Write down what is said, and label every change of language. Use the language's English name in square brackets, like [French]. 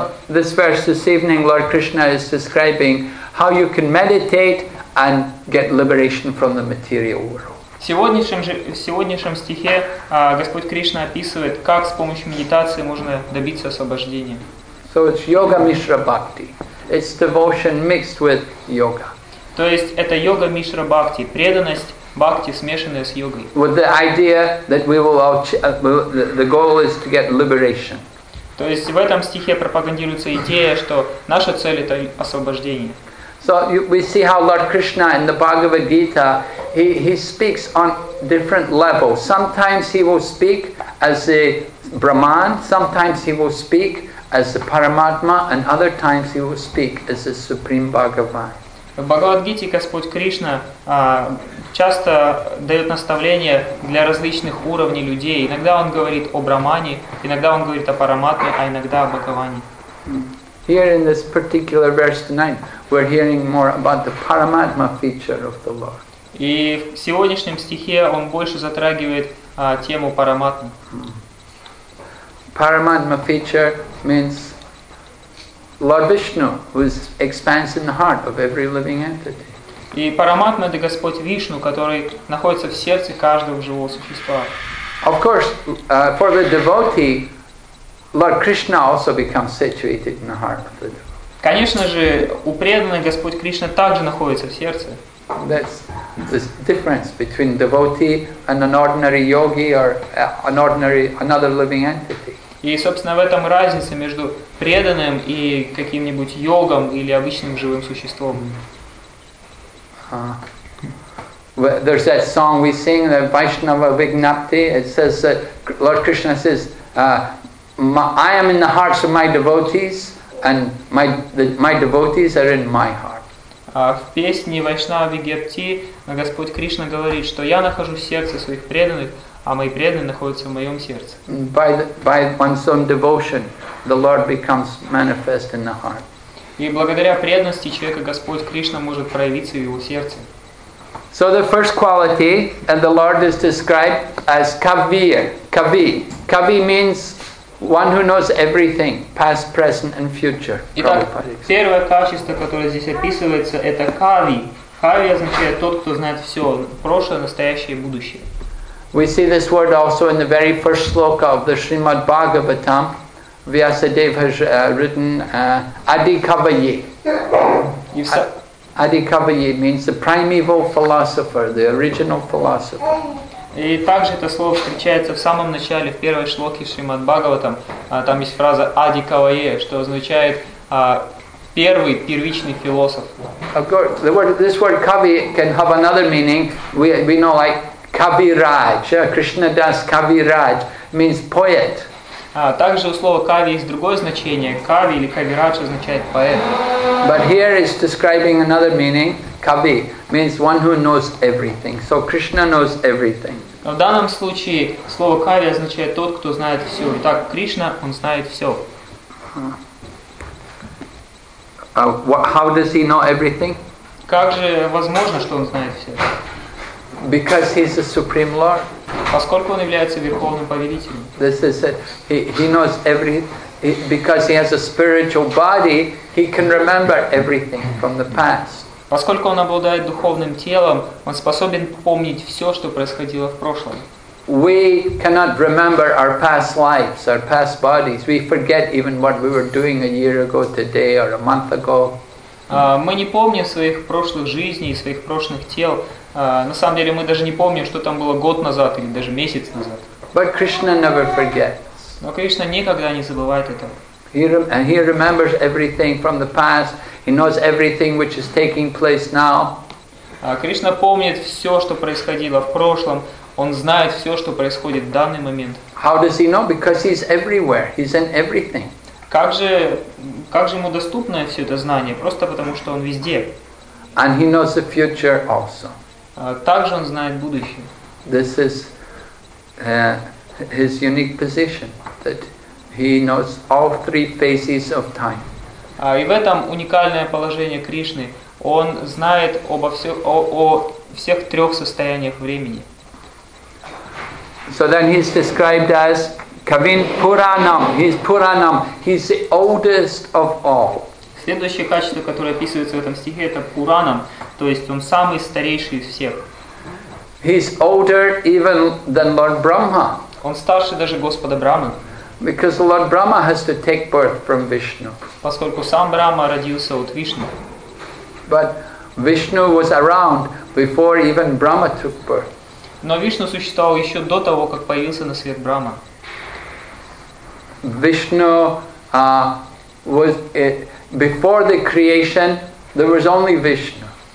[English] But this verse this evening, Lord Krishna is describing how you can meditate and get liberation from the material world. [Russian] В сегодняшнем стихе Господь Кришна описывает, как с помощью медитации можно добиться освобождения. [English] So it's yoga mishra bhakti. It's devotion mixed with yoga. [Russian] То есть это йога мишра бхакти, преданность бхакти, смешанная с йогой. [English] With the idea that we will the goal is to get liberation. [Russian] То есть в этом стихе пропагандируется идея, что наша цель это освобождение. [English] So we see how Lord Krishna in the Bhagavad Gita he speaks on different levels. Sometimes he will speak as a Brahman, sometimes he will speak as the Paramatma, and other times he will speak as the Supreme Bhagavan. [Russian] В Бхагавад-гите Господь Кришна часто дает наставления для различных уровней людей. Иногда он говорит о Брахмане, иногда он говорит о Параматме, а иногда о Бхагаване. [English] Here in this particular verse tonight, we're hearing more about the Paramatma feature of the Lord. [Russian] И в сегодняшнем стихе он больше затрагивает тему Параматмы. [English] Paramatma feature means Lord Vishnu, who is expands in the heart of every living entity. [Russian] И Параматма — это Господь Вишну, который находится в сердце каждого живого существа. [English] Of course, for the devotee, Lord Krishna also becomes situated in the heart of the devotee. [Russian] Конечно же, у преданного Господь Кришна также находится в сердце. [English] That's the difference between devotee and an ordinary yogi or an ordinary another living entity. [Russian] И, собственно, в этом разница между преданным и каким-нибудь йогом или обычным живым существом. [English] There's that song we sing, the Vaishnava Vignapti. It says that Lord Krishna says, I am in the hearts of my devotees, and my devotees are in my heart. [Russian] В песне Вайшнава Вигепти Господь Кришна говорит, что я нахожусь в сердце своих преданных, а мои преданные находятся в моем сердце. [English] By one's own devotion, the Lord becomes manifest in the heart. [Russian] И благодаря преданности человека Господь Кришна может проявиться в его сердце. [English] So the first quality, and the Lord is described as Kavi. Kavi means one who knows everything, past, present, and future. [Russian] Итак, первое качество, которое здесь описывается, это Kavi. Kavi означает тот, кто знает все, прошлое, настоящее и будущее. [English] We see this word also in the very first sloka of the Srimad Bhagavatam. Vyasadeva has written Adikavaye. Adikavaye means the primeval philosopher, the original philosopher. [Russian] И также это слово встречается в самом начале, в первой шлоке Шримад Бхагаватам. Там есть фраза Адикавае, что означает первый, первичный философ. [English] Of course, this word Kavi can have another meaning. We know like Kaviraj, Krishna Das Kaviraj means poet. [Russian] Также у слова Kavi есть другое значение. Kavi или Kaviraj означает поэт. [English] But here it's describing another meaning. Kavi means one who knows everything. So Krishna knows everything. [Russian] В данном случае слово Кави означает тот, кто знает все. Итак, Кришна, он знает все. [English] How does he know everything? [Russian] Как же возможно, что он знает все? [English] Because he's the Supreme Lord. [Russian] Поскольку он является верховным повелителем. [English] This is it. He knows everything. Because he has a spiritual body, he can remember everything from the past. [Russian] Поскольку он обладает духовным телом, он способен помнить все, что происходило в прошлом. [English] We cannot remember our past lives, our past bodies. We forget even what we were doing a year ago, today, or a month ago. [Russian] Мы не помним своих прошлых жизней, своих прошлых тел. На самом деле, мы даже не помним, что там было год назад или даже месяц назад. [English] But Krishna never forgets. [Russian] Но Кришна никогда не забывает этого. [English] He remembers everything from the past. He knows everything which is taking place now. [Russian] Кришна помнит все, что происходило в прошлом. Он знает все, что происходит в данный момент. [English] How does he know? Because he's everywhere. He's in everything. [Russian] Как же ему доступно все это знание? Просто потому, что он везде. [English] And he knows the future also. [Russian] Также он знает будущее. [English] This is his unique position, that he knows all three phases of time. [Russian] И в этом уникальное положение Кришны. Он знает обо всех о всех трех состояниях времени. [English] So then he's described as Kavin Puranam. He's Puranam. He's the oldest of all. [Russian] Следующее качество, которое описывается в этом стихе, это Пуранам, то есть он самый старейший из всех. [English] He's older even than Lord Brahma. [Russian] Он старше даже Господа Брахмы. [English] Because Lord Brahma has to take birth from Vishnu. [Russian] Поскольку сам Брахма родился от Вишну. [English] But Vishnu was around before even Brahma took birth. [Russian] Но Вишну существовал еще до того, как появился на свет Брахма. [English] Vishnu was before the creation there was only Vishnu.